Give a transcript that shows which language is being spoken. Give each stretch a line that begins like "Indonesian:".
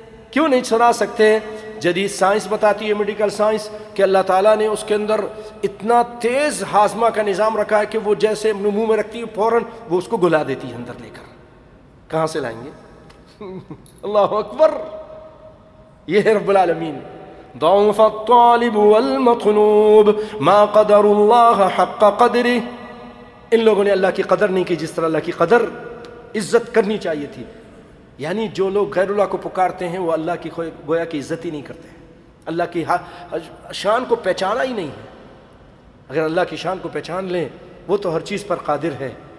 Urdu: کیوں نہیں چھوڑا سکتے؟ جدید سائنس بتاتی ہے، میڈیکل سائنس، کہ اللہ تعالیٰ نے اس کے اندر اتنا تیز ہاضمہ کا نظام رکھا ہے کہ وہ جیسے منہ میں رکھتی ہے فوراً وہ اس کو گلا دیتی ہے اندر لے کر. کہاں سے لائیں گے؟ اللہ اکبر، یہ ہے رب العالمین.
Arabic: ضعف الطالب والمطلوب ما قدر اللہ حق قدره.
Urdu: ان لوگوں نے اللہ کی قدر نہیں کی جس طرح اللہ کی قدر عزت کرنی چاہیے تھی. یعنی جو لوگ غیر اللہ کو پکارتے ہیں وہ اللہ کی گویا کی عزت ہی نہیں کرتے ہیں، اللہ کی شان کو پہچانا ہی نہیں ہے. اگر اللہ کی شان کو پہچان لیں، وہ تو ہر چیز پر قادر ہے.